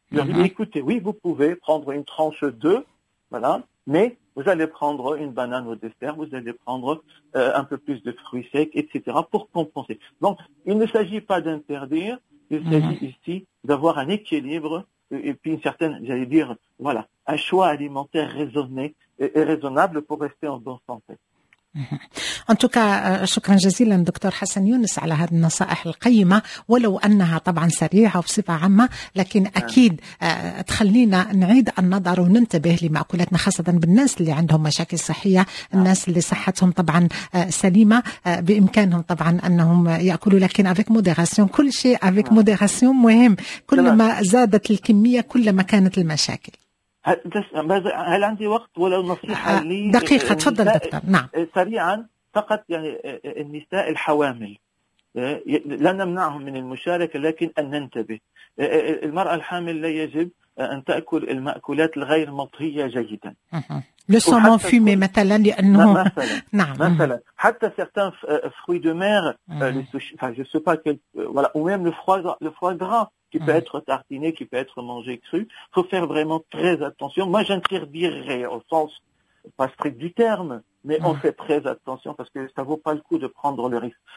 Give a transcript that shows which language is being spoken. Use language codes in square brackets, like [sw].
[fr] Je leur dis, écoutez, oui, vous pouvez prendre une tranche 2, voilà, mais vous allez prendre une banane au dessert, vous allez prendre un peu plus de fruits secs, etc., pour compenser. Donc, il ne s'agit pas d'interdire, il s'agit ici d'avoir un équilibre et puis une certaine, j'allais dire, voilà, un choix alimentaire raisonné et raisonnable pour rester en bonne santé. [ar] ان توكا شكرا جزيلا دكتور حسن يونس على هذه النصائح القيمه، ولو انها طبعا سريعه وبصفه عامه، لكن اكيد تخلينا نعيد النظر وننتبه لمأكولاتنا، خاصه بالناس اللي عندهم مشاكل صحيه، الناس اللي صحتهم طبعا سليمه بامكانهم طبعا انهم ياكلوا، لكن [fr] افيك موديراسيون، [ar] كل شيء افيك موديراسيون مهم، كلما زادت الكميه كلما كانت المشاكل. هل عندي وقت ولو نصيحة لي؟ دقيقة تفضل دكتور. نعم سريعا فقط، يعني النساء الحوامل لا نمنعهم من المشاركة، لكن أن ننتبه، المرأة الحامل لا يجب أن تأكل المأكولات الغير مطهية جيدا، [fr] لسومون فيمي [ar] مثلا، لأنه مثلا حتى [fr] certains fruits de mer je sais pas quel voilà ou même le foie gras qui peut être tartiné, qui peut être mangé cru, faut faire vraiment très attention. Moi, j'interdirais au sens pas strict du terme, mais on fait très attention parce que ça vaut pas le coup de prendre le risque.